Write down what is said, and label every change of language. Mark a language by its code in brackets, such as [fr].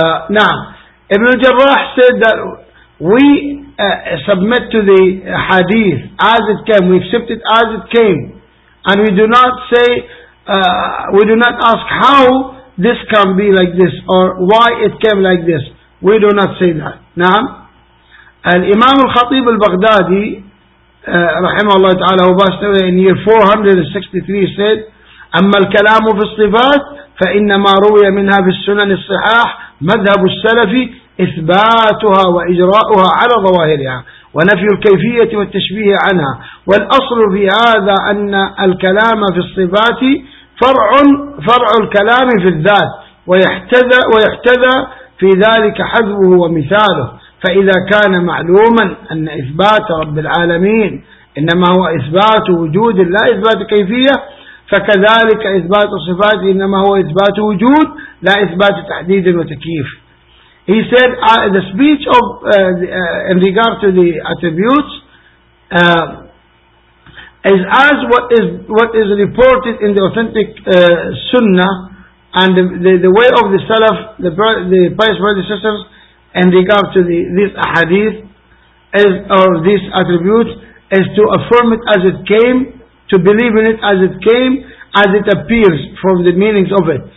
[en] Now, Ibn Jarrah said that we submit to the hadith as it came, we accept it as it came, and we do not say, we do not ask how this can be like this, or why it came like this. We do not say that. Naam. Al-Imam al-Khatib al-Baghdadi, rahimahullah ta'ala, who passed away in year 463, said, [ar] أما الكلام في الصفات فإنما روي منها في السنن الصحاح مذهب السلف إثباتها وإجراؤها على ظواهرها ونفي الكيفية والتشبيه عنها والأصل في هذا أن الكلام في الصفات فرع الكلام في الذات ويحتذى في ذلك حذوه ومثاله. فإذا كان معلوما أن إثبات رب العالمين إنما هو إثبات وجود لا إثبات كيفية فكذلك إثبات الصفات إنما هو إثبات وجود لا إثبات تحديد وتكييف. [en] He said the speech of in regard to the attributes is as what is reported in the authentic Sunnah and the way of the Salaf, the pious predecessors, in regard to this hadith is, or these attributes, is to affirm it as it came, to believe in it as it came, as it appears from the meanings of it.